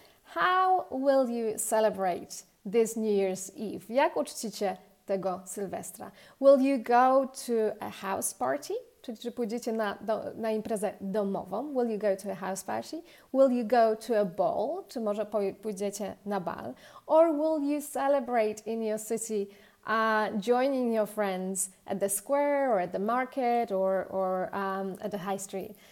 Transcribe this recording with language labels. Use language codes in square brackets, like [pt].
[en] How will you celebrate this New Year's Eve? [pl] Jak uczcicie tego Sylwestra? [en] Will you go to a house party? [pl] Czyli czy pójdziecie na imprezę domową? [en] Will you go to a house party? Will you go to a ball? [pl] Czy może pójdziecie na bal? [en] Or will you celebrate in your city, joining your friends at the square or at the market or at the high street?